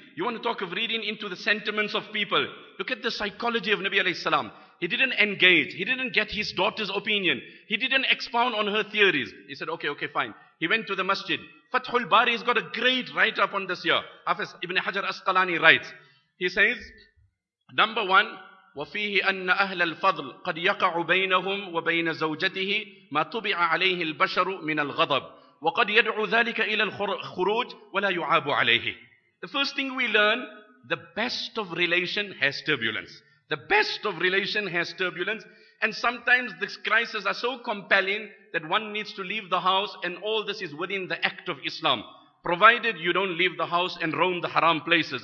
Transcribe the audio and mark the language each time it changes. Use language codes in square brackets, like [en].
[en] You want to talk of reading into the sentiments of people. Look at the psychology of Nabi alayhi salam. He didn't engage. He didn't get his daughter's opinion. He didn't expound on her theories. He said, okay, fine. He went to the masjid. Fathul Bari has got a great write-up on this here. Hafiz Ibn Hajar Asqalani writes. He says, number one, [ar] وفيه أن أهل الفضل قد يقع بينهم وبين زوجته ما طبع عليه البشر من الغضب وقد يدعو ذلك إلى الخروج ولا يعاب عليه. [en] The first thing we learn, the best of relation has turbulence. The best of relation has turbulence, and sometimes these crises are so compelling that one needs to leave the house, and all this is within the act of Islam, provided you don't leave the house and roam the haram places.